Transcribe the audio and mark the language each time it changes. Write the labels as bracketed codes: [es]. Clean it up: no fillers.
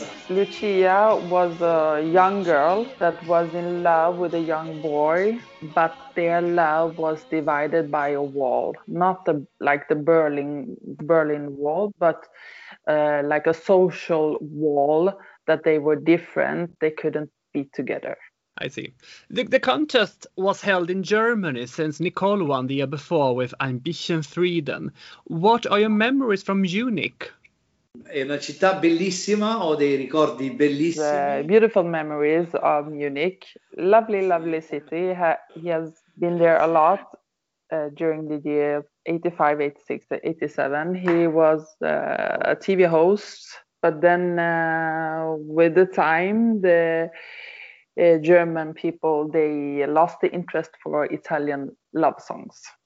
[en] Lucia was a young girl that was in love with a young boy, but their love was divided by a wall, not like the Berlin Wall, but like a social wall that they were different. They couldn't be together. I see. The contest was held in Germany since Nicole won the year before with Ein bisschen Frieden. What are your memories from Munich? [it] È una città bellissima, ho dei ricordi bellissimi. [en] Beautiful memories of Munich. Lovely, lovely city. He has been there a lot during the year 85, 86, 87. He was a TV host, but then with the time, the German people, they lost the interest for Italian love songs.